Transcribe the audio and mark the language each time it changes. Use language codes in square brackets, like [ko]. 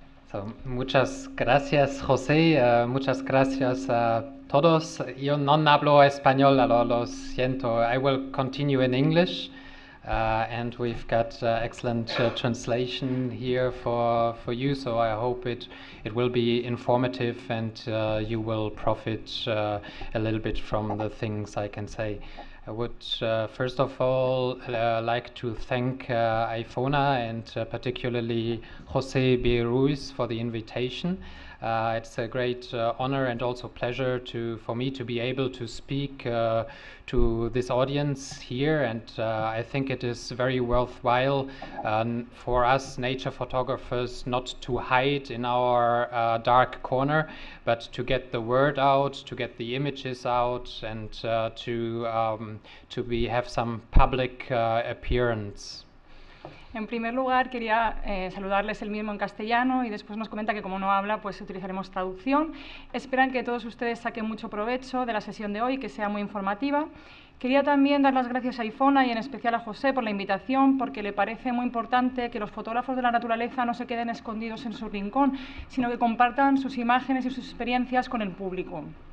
[es] So, muchas gracias, José, muchas gracias a todos. Yo no hablo español, lo siento. [en] I will continue in English. And we've got excellent translation here for you, so I hope it will be informative and you will profit a little bit from the things I can say. I would first of all like to thank Aefona and particularly José B. Ruiz for the invitation. It's a great honor and also pleasure for me to be able to speak to this audience here, and I think it is very worthwhile for us nature photographers not to hide in our dark corner, but to get the word out, to get the images out, and to have some public appearance. [es] En primer lugar, quería saludarles el mismo en castellano y después nos comenta que como no habla, pues utilizaremos traducción. Esperan que todos ustedes saquen mucho provecho de la sesión de hoy, que sea muy informativa. Quería también dar las gracias a Aefona y en especial a José por la invitación, porque le parece muy importante que los fotógrafos de la naturaleza no se queden escondidos en su rincón, sino que compartan sus imágenes y sus experiencias con el público.